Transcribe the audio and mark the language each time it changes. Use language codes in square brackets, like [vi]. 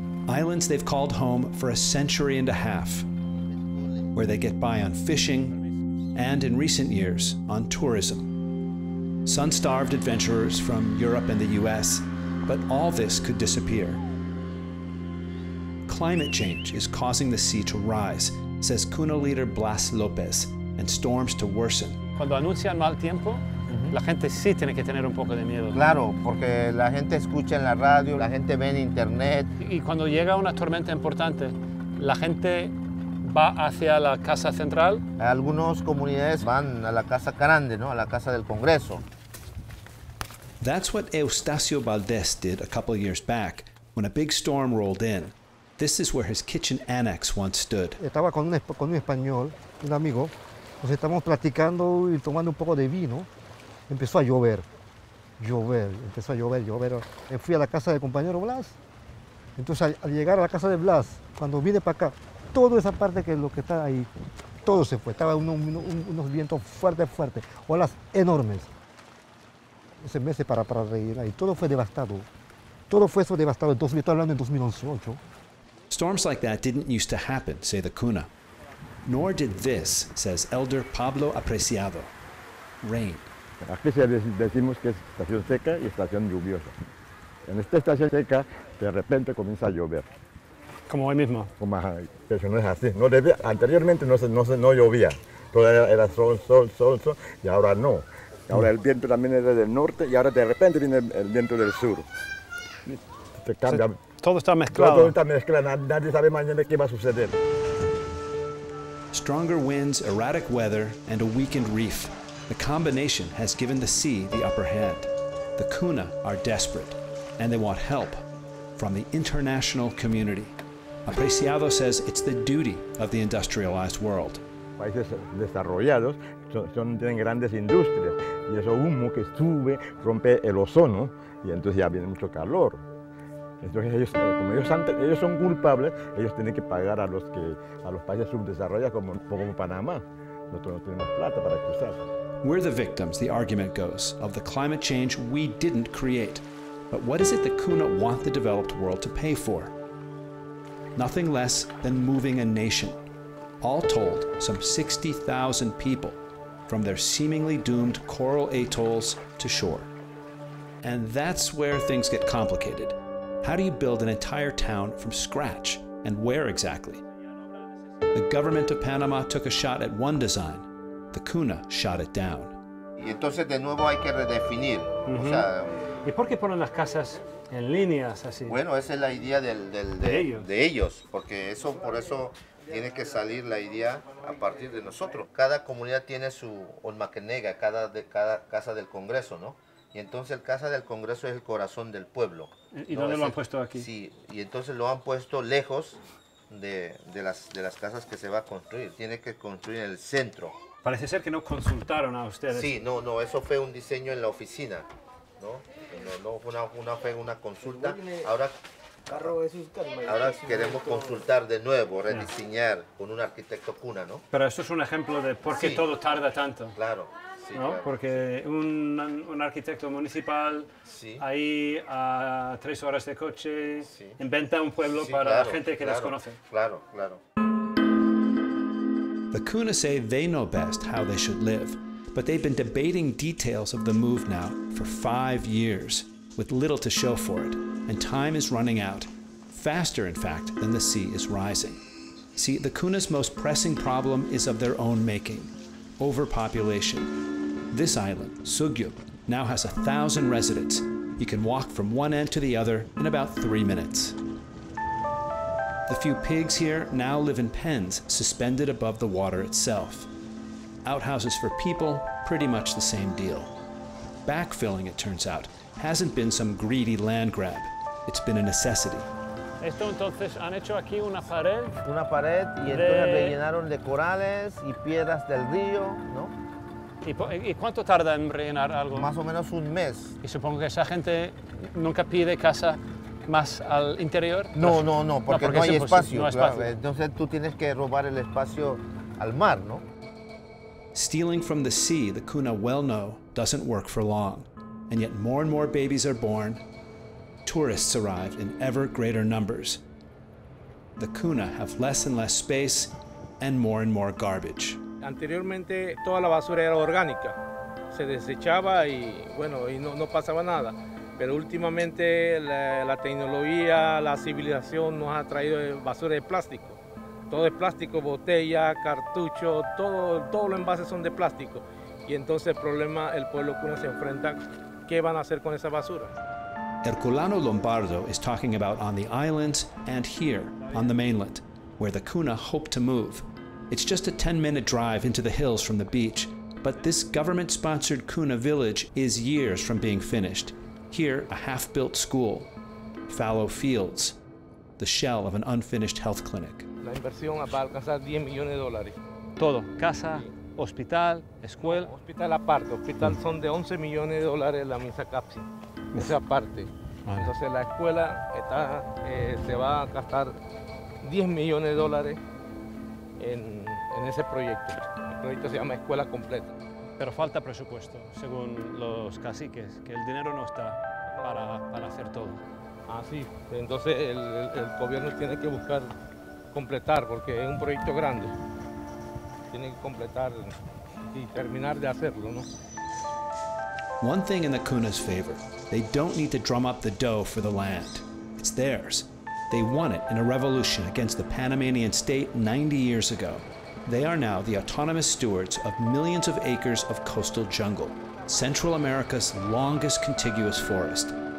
[en] Islands they've called home for a century and a half, where they get by on fishing, and in recent years, on tourism. Sun-starved adventurers from Europe and the US, but all this could disappear. Climate change is causing the sea to rise, says Kuna leader Blas Lopez, and storms to worsen. [es] Cuando anuncian mal tiempo, la gente sí tiene que tener un poco de miedo. Claro, porque la gente escucha en la radio, la gente ve en internet. Y cuando llega una tormenta importante, la gente va hacia la casa central. Algunas comunidades van a la casa grande, ¿no? A la casa del Congreso. [en] That's what Eustacio Valdez did a couple of years back when a big storm rolled in. This is where his kitchen annex once stood. [es] Estaba con un español, un amigo. Nos estábamos platicando y tomando un poco de vino. Empezó a llover. Empezó a llover. Fui a la casa del compañero Blas. Entonces, al llegar a la casa de Blas, cuando vine para acá, toda esa parte que lo que está ahí, todo se fue. Estaba unos vientos fuertes, olas enormes. Ese mes para reír ahí. Todo fue devastado. Entonces, estoy hablando en 2018. [en] Storms like that didn't used to happen, say the Kuna. Nor did this, says Elder Pablo Apreciado. Rain. [es] Aquí decimos que es estación seca y estación lluviosa. En esta estación seca, de repente comienza a llover. Como hoy mismo. Pero no es así. No debía, anteriormente no llovía. Todo era sol, y ahora no. Ahora el viento también era del norte y ahora de repente viene el viento del sur. Se cambia. Sí. Todo está mezclado. Todo está mezclado. Nadie sabe mañana qué va a suceder. [en] Stronger winds, erratic weather, and a weakened reef. The combination has given the sea the upper hand. The Kuna are desperate, and they want help from the international community. Apreciado says it's the duty of the industrialized world. [es] Países desarrollados tienen grandes industrias, y ese humo que sube rompe el ozono, y entonces ya viene mucho calor. Entonces ellos, como ellos son culpables, ellos tienen que pagar a los países subdesarrollados como Panamá. Nosotros no tenemos plata para cruzar. [en] We're the victims, the argument goes, of the climate change we didn't create. But what is it the Kuna want the developed world to pay for? Nothing less than moving a nation. All told, some 60,000 people, from their seemingly doomed coral atolls to shore. And that's where things get complicated. How do you build an entire town from scratch, and where exactly? The government of Panama took a shot at one design. The Kuna shot it down. [es] Y entonces de nuevo hay que redefinir. ¿Y por qué ponen las casas en líneas así? Bueno, esa es la idea de ellos, porque eso por eso tiene que salir la idea a partir de nosotros. Cada comunidad tiene su onmakenega, cada casa del Congreso, ¿no? Y entonces el Casa del Congreso es el corazón del pueblo. ¿Y dónde lo han puesto aquí? Sí, y entonces lo han puesto lejos de las casas que se va a construir. Tiene que construir en el centro. Parece ser que no consultaron a ustedes. Sí, no, eso fue un diseño en la oficina, ¿no? No fue una consulta. Ahora queremos consultar de nuevo, rediseñar con un arquitecto Kuna, ¿no? Pero eso es un ejemplo de por qué todo tarda tanto. Claro. ¿No? Porque un arquitecto municipal ahí a 3 horas de coche inventa un pueblo para gente que desconoce. Claro. [en] The Kuna say they know best how they should live, but they've been debating details of the move now for 5 years, with little to show for it, and time is running out, faster in fact than the sea is rising. See, the Kuna's most pressing problem is of their own making, overpopulation. This island, Sugyup, now has 1,000 residents. You can walk from one end to the other in about 3 minutes. The few pigs here now live in pens suspended above the water itself. Outhouses for people, pretty much the same deal. Backfilling, it turns out, hasn't been some greedy land grab. It's been a necessity. [es] Esto entonces han hecho aquí una pared. Una pared y entonces rellenaron de corales y piedras del río, ¿no? ¿Y cuánto tarda en rellenar algo? Más o menos un mes. Y supongo que esa gente nunca pide casa más al interior. No, porque no hay espacio. Entonces tú tienes que robar el espacio al mar, ¿no? [en] Stealing from the sea, the Kuna well know, doesn't work for long. And yet more and more babies are born. Tourists arrive in ever greater numbers. The Kuna have less and less space and more garbage. [es] Anteriormente, toda la basura era orgánica. Se desechaba y, bueno, y no pasaba nada. Pero últimamente, la tecnología, la civilización nos ha traído basura de plástico. Todo es plástico, botella, cartucho, todo los envases son de plástico. Y entonces el problema, el pueblo Kuna se enfrenta, ¿qué van a hacer con esa basura? [en] Herculano Lombardo is talking about on the islands and here, on the mainland, where the Kuna hope to move. It's just a 10-minute drive into the hills from the beach, but this government-sponsored Kuna village is years from being finished. Here, a half-built school, fallow fields, the shell of an unfinished health clinic. [es] La inversión va a alcanzar 10 millones de dólares. Todo, casa, hospital, escuela. No, hospital aparte, hospital son de 11 millones de dólares la misa CAPSI. Esa aparte. Vale. Entonces la escuela está, se va a gastar 10 millones de dólares en ese proyecto. El proyecto se llama Escuela Completa. Pero falta presupuesto, según los caciques, que el dinero no está para hacer todo. Ah, sí. Entonces el gobierno tiene que buscar completar, porque es un proyecto grande. Tiene que completar y terminar de hacerlo, ¿no? [en] One thing in the Kuna's favor, they don't need to drum up the dough for the land. It's theirs. They won it in a revolution against the Panamanian state 90 years ago. They are now the autonomous stewards of millions of acres of coastal jungle, Central America's longest contiguous forest.